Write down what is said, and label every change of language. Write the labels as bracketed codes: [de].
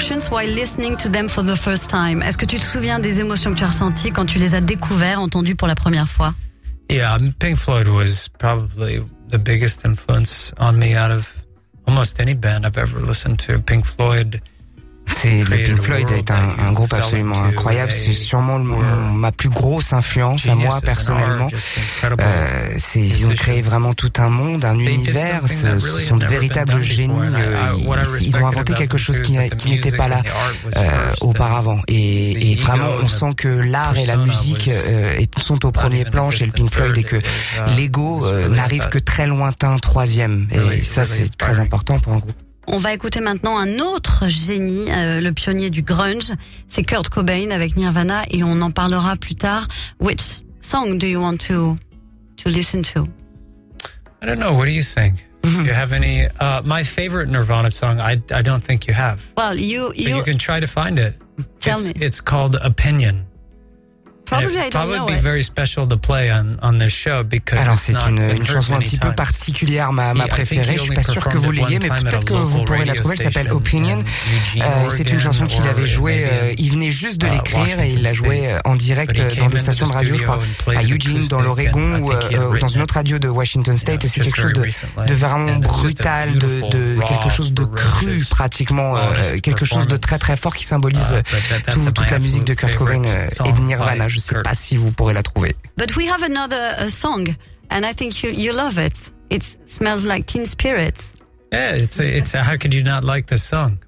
[en] While listening to them for the first time. [fr] Est-ce que tu te souviens des émotions que tu as ressenties quand tu les as découvertes, entendues pour la première fois? [en] Yeah, Pink Floyd was probably the biggest influence on me out of almost any band I've ever listened to. Pink Floyd. [fr] C'est le Pink Floyd est un groupe absolument incroyable. C'est sûrement ma plus grosse influence à moi personnellement. Ils ont créé vraiment tout un monde, un univers. Ce sont de véritables génies. Ils ont inventé quelque chose qui n'était pas là auparavant. Et vraiment, on sent que l'art et la musique sont au premier plan chez le Pink Floyd et que l'ego n'arrive que très lointain, troisième. Et ça, c'est très important pour un groupe. On va écouter maintenant un autre génie, le pionnier du grunge, c'est Kurt Cobain avec Nirvana, et on en parlera plus tard. [en] Which song do you want to listen to? I don't know. What do you think? Do you have any? My favorite Nirvana song. I don't think you have. Well, you can try to find it. Tell me. It's called Opinion. Probably be very special to play on this show because [fr] alors c'est une chanson un petit peu particulière ma préférée. Je suis pas sûr que vous l'ayez, mais peut-être que vous pourrez la trouver. Elle s'appelle Opinion. C'est une chanson qu'il avait jouée. Il venait juste de l'écrire et il l'a jouée en direct dans des stations de radio, je crois, à Eugene, dans l'Oregon ou dans une autre radio de Washington State. Et c'est quelque chose de vraiment brutal, de quelque chose de cru pratiquement, quelque chose de très très fort qui symbolise toute la musique de Kurt Cobain et de Nirvana. Je ne sais pas si vous pourrez la trouver. [en] But we have another song, and I think you love it. It smells like Teen Spirit. Yeah, it's a, how could you not like this song?